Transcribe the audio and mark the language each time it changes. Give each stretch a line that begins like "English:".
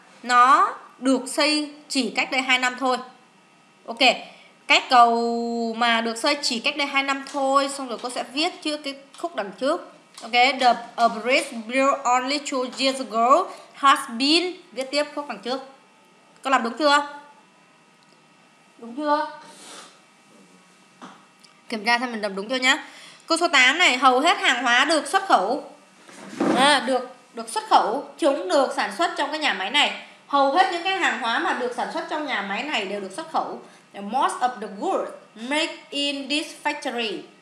Vietnamese: Nó được xây chỉ cách đây 2 năm thôi. Ok. Cái cầu mà được xây chỉ cách đây 2 năm thôi. Xong rồi cô sẽ viết chưa cái khúc đằng trước. Ok.
English: The bridge built only 2 years ago has been.
Vietnamese: Viết tiếp khúc đằng trước. Cô làm đúng chưa? Đúng chưa? Kiểm tra xem mình làm đúng chưa nhá. Câu số 8 này. Hầu hết hàng hóa được xuất khẩu được xuất khẩu. Chúng được sản xuất trong cái nhà máy này. Hầu hết những cái hàng hóa mà được sản xuất trong nhà máy này đều được xuất khẩu.
English: Most of the goods made in this factory.